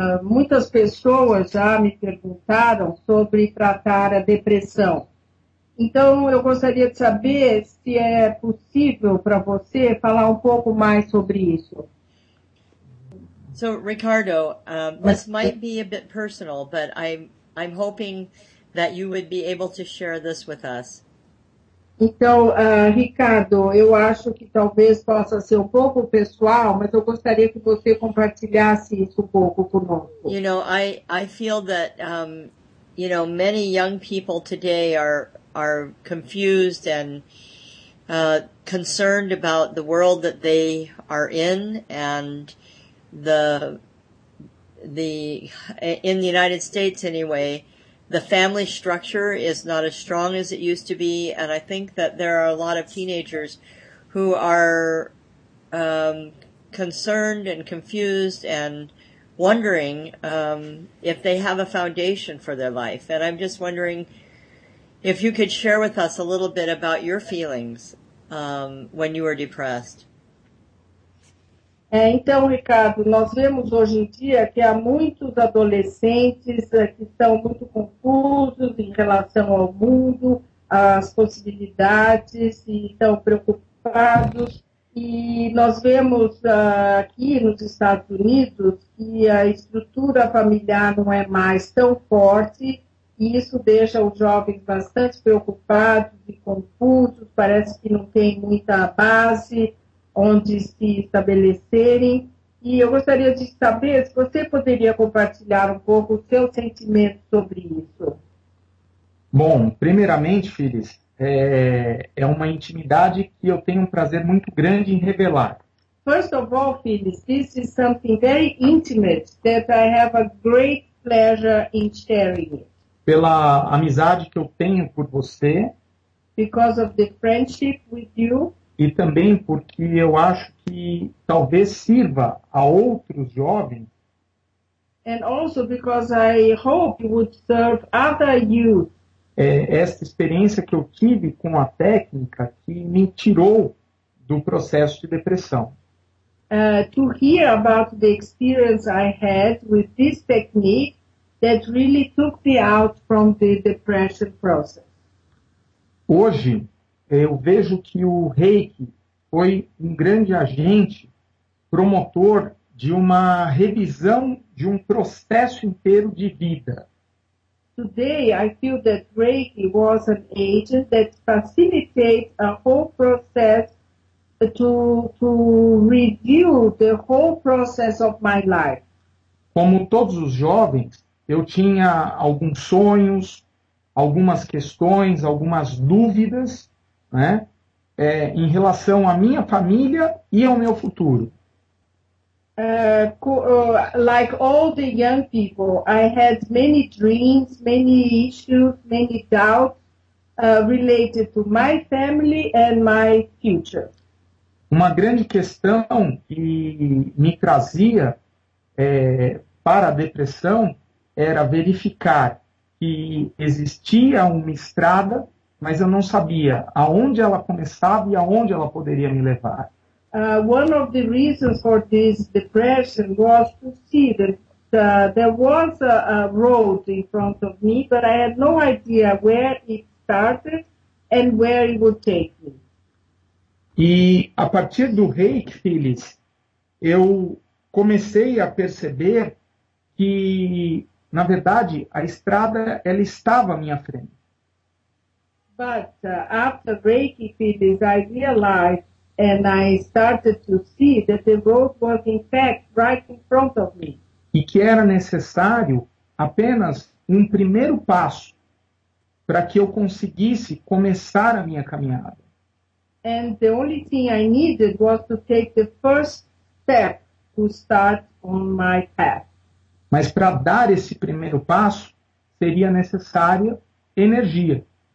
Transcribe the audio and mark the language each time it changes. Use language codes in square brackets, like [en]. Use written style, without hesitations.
[pt] Muitas pessoas já me perguntaram sobre tratar a depressão. Então, eu gostaria de saber se é possível para você falar um pouco mais sobre isso. [en] So, Ricardo, this might be a bit personal, but I'm hoping that you would be able to share this with us. [pt] Então, Ricardo, eu acho que talvez possa ser um pouco pessoal, mas eu gostaria que você compartilhasse isso um pouco conosco. [en] You know, I feel that, you know, many young people today are confused and concerned about the world that they are in, and the in the United States anyway, the family structure is not as strong as it used to be, and I think that there are a lot of teenagers who are concerned and confused and wondering if they have a foundation for their life. And I'm just wondering if you could share with us a little bit about your feelings when you were depressed. [pt] Então, Ricardo, nós vemos hoje em dia que há muitos adolescentes que estão muito confusos em relação ao mundo, às possibilidades, e estão preocupados. E nós vemos aqui nos Estados Unidos que a estrutura familiar não é mais tão forte, e isso deixa os jovens bastante preocupados e confusos, parece que não tem muita base onde se estabelecerem. E eu gostaria de saber se você poderia compartilhar um pouco o seu sentimento sobre isso. Bom, primeiramente, Phyllis, é uma intimidade que eu tenho um prazer muito grande em revelar. [en] First of all, Phyllis, this is something very intimate that I have a great pleasure in sharing. [pt] Pela amizade que eu tenho por você. [en] Because of the friendship with you. [pt] E também porque eu acho que talvez sirva a outros jovens. [en] And also because I hope it would serve other youth. [pt] É esta experiência que eu tive com a técnica que me tirou do processo de depressão. [en] To hear about the experience I had with this technique that really took me out from the depression process. [pt] Hoje eu vejo que o Reiki foi um grande agente promotor de uma revisão de um processo inteiro de vida. [en] Today I feel that Reiki was an agent that facilitates a whole process to review the whole process of my life. [pt] Como todos os jovens, eu tinha alguns sonhos, algumas questões, algumas dúvidas, né? Em relação à minha família e ao meu futuro. [en] Like all the young people, I had many dreams, many issues, many doubts related to my family and my future. [pt] Uma grande questão que me trazia para a depressão era verificar que existia uma estrada, mas eu não sabia aonde ela começava e aonde ela poderia me levar. [en] One of the reasons for this depression was to see that there was a road in front of me, but I had no idea where it started and where it would take me. [pt] E a partir do Reiki, Phyllis, eu comecei a perceber que, na verdade, a estrada, ela estava à minha frente. [en] But after Reiki, Phyllis, I realized and I started to see that the road was in fact right in front of me. [pt] E que era necessário apenas um primeiro passo para que eu conseguisse começar a minha caminhada. [en] And the only thing I needed was to take the first step to start on my path. [pt] Mas para dar esse primeiro passo seria necessária energia.